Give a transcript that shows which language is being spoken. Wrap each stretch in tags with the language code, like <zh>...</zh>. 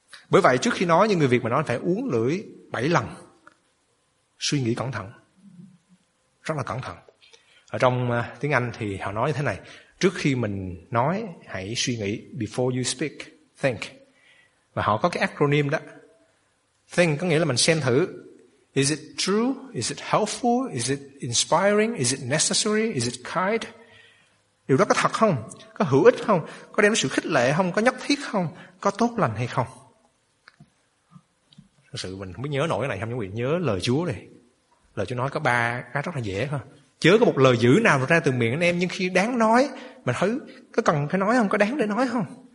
<vi>Bởi vậy trước khi nói, những người Việt mà nói phải uống lưỡi 7 lần. Suy nghĩ cẩn thận. Rất là cẩn thận. Ở trong tiếng Anh thì họ nói như thế này: trước khi mình nói hãy suy nghĩ,</vi> <en>before you speak, think.</en> <vi>Và họ có cái acronym đó.</vi> <en>Think</en> <vi>có nghĩa là mình xem thử:</vi> <en>is it true, is it helpful, is it inspiring, is it necessary, is it kind.</en> <vi>Điều đó có thật không, có hữu ích không, có đem đến sự khích lệ không, có nhất thiết không, có tốt lành hay không. Thật sự mình không biết nhớ nổi cái này không, nhưng mà nhớ lời Chúa này. Lời Chúa nói có ba cái rất là dễ ha. Chớ có một lời dữ nào ra từ miệng anh em, nhưng khi đáng nói, mình thấy có cần phải nói không, có đáng để nói không.</vi>